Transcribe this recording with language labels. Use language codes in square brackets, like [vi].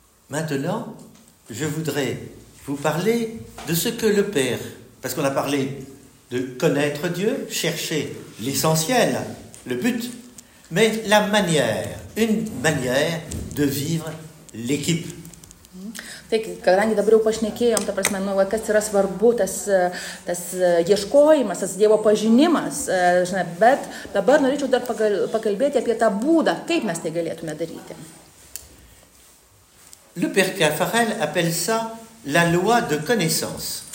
[fr] Maintenant, je voudrais vous parler de ce que le Père, parce qu'on a parlé de connaître Dieu, chercher l'essentiel, le but, mais la manière, une manière de vivre l'équipe. [lt] Tai, kadangi dabar jau pašnekėjom, ta prasme, nu, kas yra svarbu, tas ieškojimas, tas Dievo pažinimas, žinai, bet dabar norėčiau dar pakalbėti apie tą būdą, kaip mes tai galėtume daryti. [fr] Le père Caffarel appelle ça la loi de connaissance.